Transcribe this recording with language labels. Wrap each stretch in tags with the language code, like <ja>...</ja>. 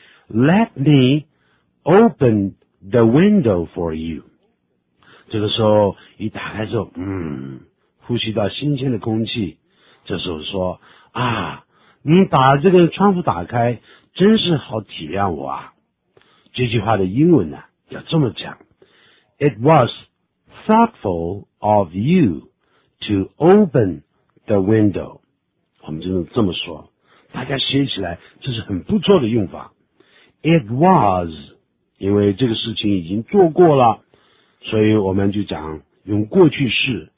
<en>Let me open the window for you.</en> <zh>这个时候一打开之后，呼吸到新鲜的空气。这时候说，啊，你把这个窗户打开，真是好体谅我啊。这句话的英文呢，要这么讲。</zh> <en>It was thoughtful of you to open the window.</en> <zh>我们就这么说，大家学起来，这是很不错的用法。</zh> <en>It was,</en> <zh>因为这个事情已经做过了，所以我们就讲用过去式。</zh>